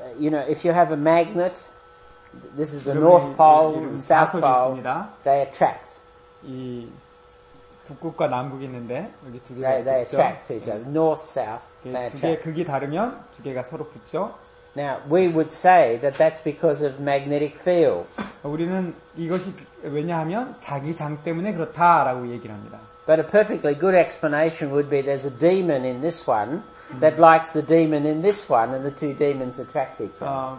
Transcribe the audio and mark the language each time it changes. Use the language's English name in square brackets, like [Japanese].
[English] You know, if you have a magnet, this is the North Pole and South Pole. They attract. [Korean] 북극과 남극이 있는데 여기 두 개가 [English] they attract to each other. North, south. [Korean] 두 개의 극이 다르면 두 개가 서로 붙죠. [English] Now we would say that that's because of magnetic fields. [Korean] 우리는 이것이 왜냐하면 자기장 때문에 그렇다라고 얘기를 합니다. [English] But a perfectly good explanation would be there's a demon in this one that likes the demon in this one, and the two demons attract each other.